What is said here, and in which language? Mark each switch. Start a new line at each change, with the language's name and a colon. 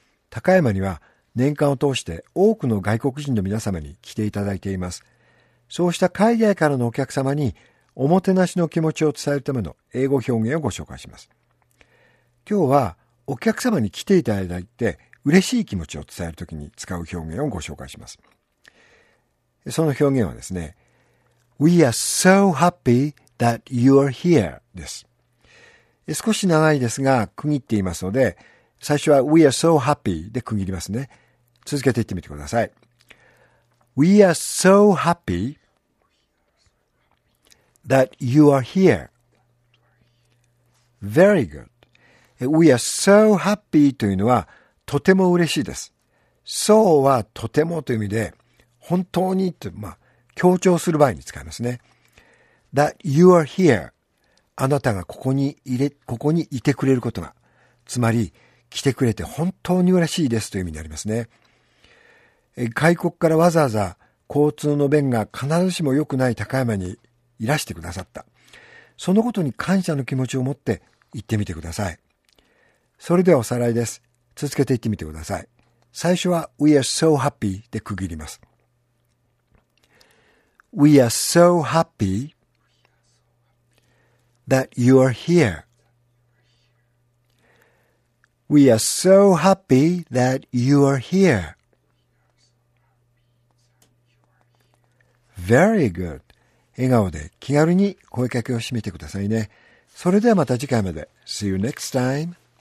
Japanese: 高山には年間を通して多くの外国人の皆様に来ていただいています。そうした海外からのお客様におもてなしの気持ちを伝えるための英語表現をご紹介します。今日はお客様に来ていただいて嬉しい気持ちを伝えるときに使う表現をご紹介します。その表現はですね、
English: We are so happyThat you are here
Japanese: です。少し長いですが、区切っていますので、最初は
English: We are so happy
Japanese: で区切りますね。続けていってみてください。
English: We are so happy that you are here. Very good. We are so happy
Japanese: というのは、とても嬉しいです。 So はとてもという意味で、本当にと、まあ、強調する場合に使いますね。
English: That you are here.
Japanese: あなたがここにいてくれることが、つまり来てくれて本当に嬉しいですという意味になりますね。外国からわざわざ交通の便が必ずしも良くない高山にいらしてくださった。そのことに感謝の気持ちを持って行ってみてください。それではおさらいです。続けて行ってみてください。最初は
English: We are so happy
Japanese: で区切ります。
English: We are so happyThat you are here. We are so happy that you are here. Very good.
Japanese: 笑顔で気軽に声かけを締めてくださいね。それではまた次回まで。
English: See you next time.